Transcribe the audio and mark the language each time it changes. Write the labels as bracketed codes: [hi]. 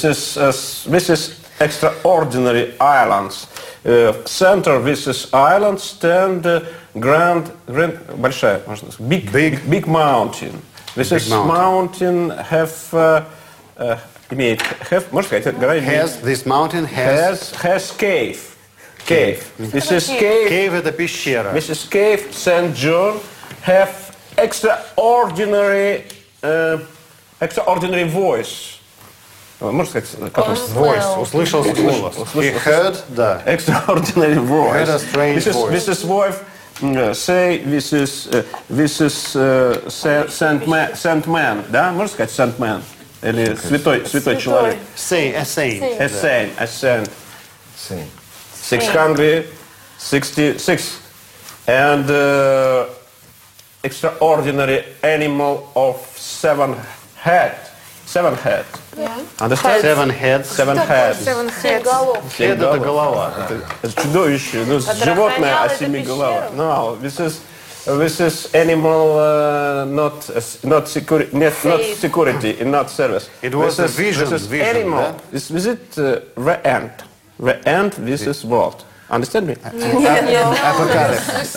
[en] This is extraordinary islands. Center this is island stand grand [ru] большая, можно сказать, [en] big mountain. This big is mountain have. [ru] Имеет, have, можешь сказать, гора имеет? [en] Has, this mountain has cave. Cave. This is cave. [ru] Cave – это пещера. [en] This is cave, St. John, have extraordinary voice. [ru] Можешь сказать, как voice? Voice. Услышал голос. Услышал. [en] Heard, [ru] да. [en] Extraordinary voice. Heard a strange voice. This is voice. Say this is Saint Man, [ru] да? Можешь сказать Saint Man? Или святой человек. [en] Say, a saint. A saint, a saint. Saint. 666. And extraordinary animal of seven head. Yeah. Understand? Seven heads. Seven heads. [ru] Это чудовище. Ну, животное, а семи голова. [en] No, this is animal not security and not service. It was this a vision. This is vision, animal. Yeah? Is it the ant? The ant. This is what? Understand me? [ru] Апокалипсис.